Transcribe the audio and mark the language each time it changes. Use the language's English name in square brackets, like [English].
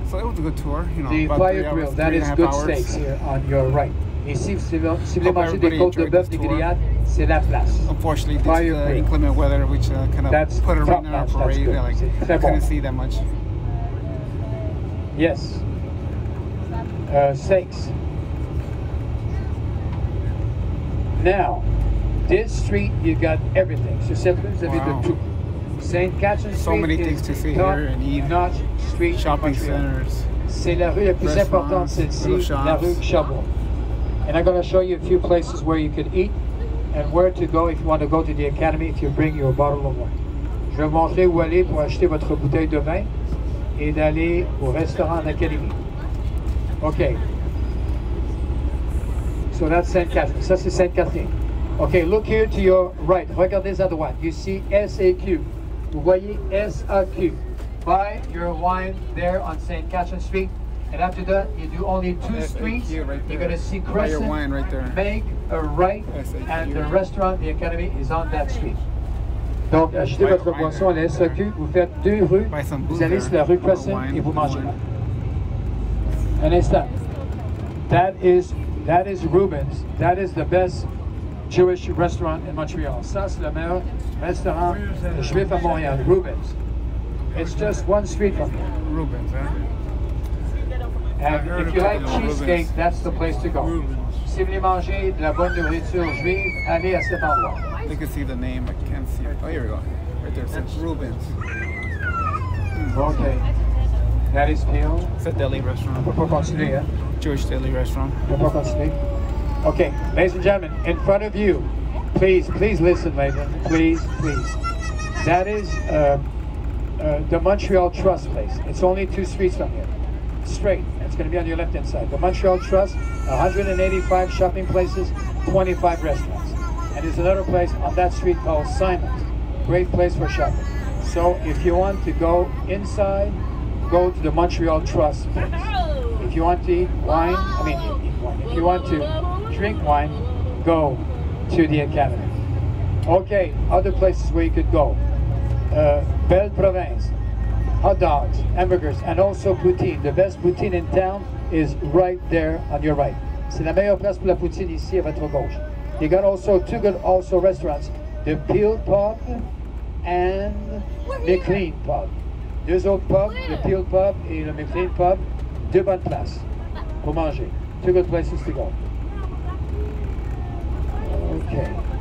[English] So it was a good tour, you know, the about Fire three Grill, hours, that is good steaks here on your right. [French] Ici, si vous mangez des côtes de bœuf de grillade, c'est la place. [English] Unfortunately, this is the inclement weather, which kind of that's put a ring on our parade. Like, I couldn't see that much. Yes. Steaks. Now, this street, you've got everything. So simply, it's a bit of two. St. Catherine Street. So many things to see here and eat. Not street. Shopping centers. [French] C'est la rue la plus importante, celle-ci, la rue Chabot. [English] And I'm going to show you a few places where you can eat and where to go if you want to go to the academy if you bring your bottle of wine. [French] Je vais montrer où aller pour acheter votre bouteille de vin et d'aller au restaurant d'académie. [English] Okay. So that's St. Catherine. [French] Ça, c'est St. Catherine. [English] Okay, look here to your right. [French] Regardez à droite. [English] You see SAQ. [French] Vous voyez SAQ. [English] Buy your wine there on St. Catherine Street. And after that, you do only two streets. Right, you're going to see Crescent. Buy your wine right there. Make a right. SAQ. And the restaurant, the academy, is on that street. [French] Donc, achetez votre boisson à la SAQ. Vous faites deux rues. Vous allez sur la rue Crescent et vous mangez. Un instant. [English] That is Ruben's. That is the best Jewish restaurant in Montreal. [French] Ça, c'est le meilleur restaurant juif à Montréal, Ruben's. [English] It's just one street from here. Ruben's, huh? And if you like cheesecake, that's the place to go. [French] Si vous voulez manger de la bonne nourriture juive, allez à cet endroit. [English] You can see the name, I can't see it. Oh, here we go. Right there, it's Ruben's. Okay. That is Neil. It's a deli restaurant. [French] Pour continuer, yeah. [English] Jewish deli restaurant. Okay, ladies and gentlemen, in front of you, please, please listen, ladies and gentlemen. Please, please. That is the Montreal Trust place. It's only two streets from here. Straight. It's going to be on your left-hand side. The Montreal Trust, 185 shopping places, 25 restaurants. And there's another place on that street called Simon's. Great place for shopping. So if you want to go inside, go to the Montreal Trust place. If you want to eat wine, I mean, if you want to drink wine, go to the academy. Okay, other places where you could go. Belle Province, hot dogs, hamburgers, and also poutine. The best poutine in town is right there on your right. [French] C'est la meilleure place pour la poutine ici à votre gauche. [English] You got also two good also restaurants, the Peel Pub and the Clean Pub. [French] Deux autres pubs, the Peel Pub et le McLean Pub. Deux bonnes places pour manger. [English] Two good places to go. Okay.